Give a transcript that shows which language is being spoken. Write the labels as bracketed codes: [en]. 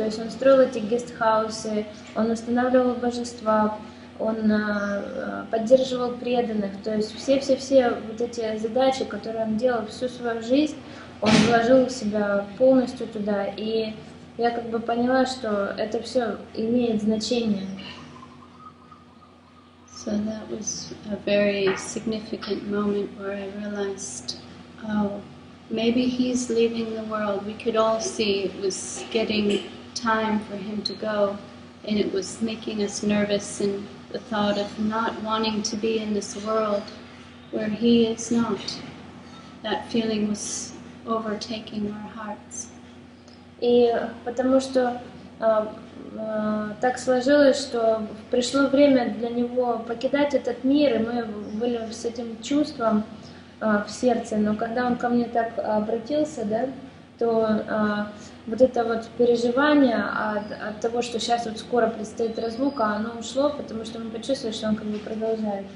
[ru] То есть он строил эти гестхаусы, он устанавливал божества, он поддерживал преданных, то есть все вот эти задачи, которые он делал всю свою жизнь, он вложил в себя полностью туда, и я как бы поняла, что это все имеет значение. [en] So that was a very significant moment where I realized, oh, Maybe he's leaving the world. We could all see it was getting time for him to go, and it was making us nervous, and the thought of not wanting to be in this world where he is not. That feeling was overtaking our hearts. [ru] И потому что так сложилось, что пришло время для него покидать этот мир, и мы были с этим чувством в сердце. Но когда он ко мне так обратился, да, то вот это вот переживание от того, что сейчас вот скоро предстоит разлука, оно ушло, потому что мы почувствовали, что он как бы продолжает.